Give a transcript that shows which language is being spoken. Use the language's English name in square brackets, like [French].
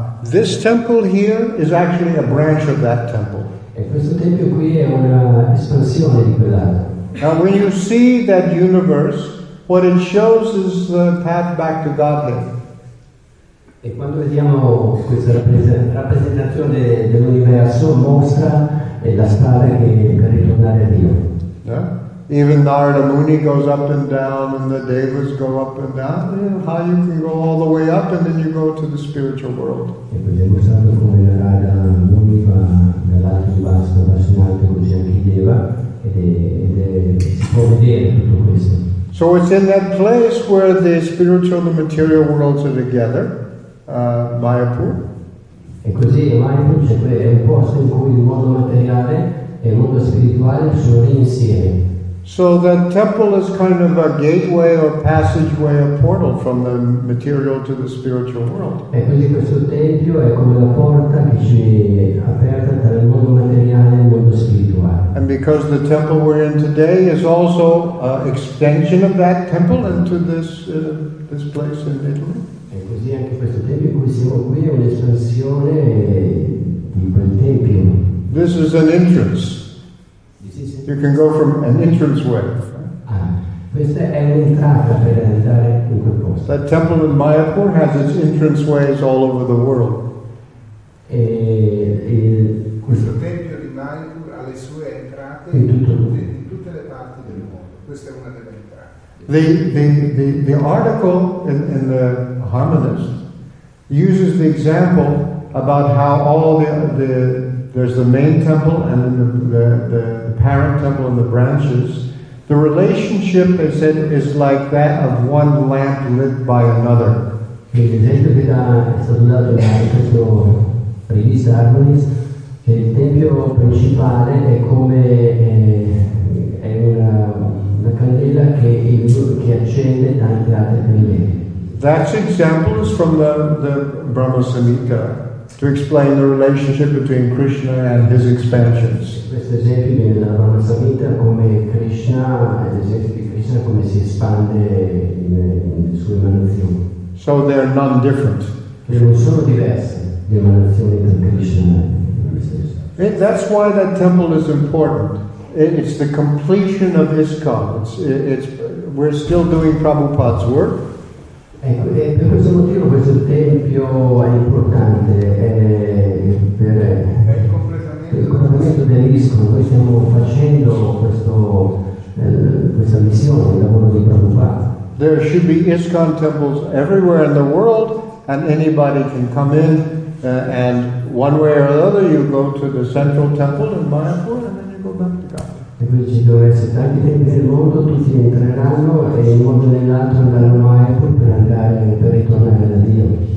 [English] This temple here is actually a branch of that temple. [Italian] E questo tempio qui è una espansione di quell'altro. [English] Now, when you see that universe, what it shows is the path back to Godhead. [Italian] E quando vediamo questa rappresentazione dell'universo mostra la strada che per ritornare a Dio. [English] Even Narada Muni goes up and down, and the devas go up and down. How you can go all the way up, and then you go to the spiritual world. [Italian] E vediamo stato come Narada Muni fa nell'alto di basso, verso in alto, così anche Deva, ed è si può vedere tutto questo. [English] So it's in that place where the spiritual and the material worlds are together, Mayapur. [Italian] E così Mayapur è un posto in cui il mondo materiale e il mondo spirituale sono insieme. [English] So the temple is kind of a gateway or passageway, a portal from the material to the spiritual world. [Italian] E quindi questo tempio è come la porta che ci è aperta tra il mondo materiale e il mondo spirituale. [English] And because the temple we're in today is also an extension of that temple into this place in Italy. [Italian] E così anche questo tempio cui siamo qui è un'espansione di quel tempio. [English] This is an entrance. You can go from an entrance way. [Italian] Questa è un'entrata per entrare in quel posto. [English] That temple in Mayapur has its entrance ways all over the world. [Italian] Questo tempio di Mayapur ha le sue entrate in tutte le parti del mondo. Questa è una delle entrate. [English] The article in the Harmonist uses the example about how all the there's the main temple and then the parent temple and the branches. The relationship, they said, is like that of one lamp lit by another. [Italian] L'esempio che è stato dato in questo rivista Harmonist, che il tempio principale è come è una candela che accende tante altre candele. [English] That example is from the Brahma Samhita, to explain the relationship between Krishna and his expansions. [Italian] Questo esempio della Brahma Samhita come Krishna, l'esempio di Krishna come si espande nelle sue emanazioni. [English] So they are non different. [Italian] Non sono diverse le emanazioni del Krishna. [English] That's why that temple is important. It's the completion of ISKCON. It's we're still doing Prabhupada's work. [Italian] Ecco, e per questo motivo questo tempio è importante, per il completamento dell'ISKCON. Noi stiamo facendo questa missione, il lavoro di Prabhupada. [English] There should be ISKCON temples everywhere in the world, and anybody can come in, and one way or another you go to the central temple in Mayapur, and then you go back to God. [Italian] E poi ci dovrebbero essere tanti tempi nel mondo, tutti entreranno e in modo nell'altro andranno a Apple per andare per ritornare da Dio.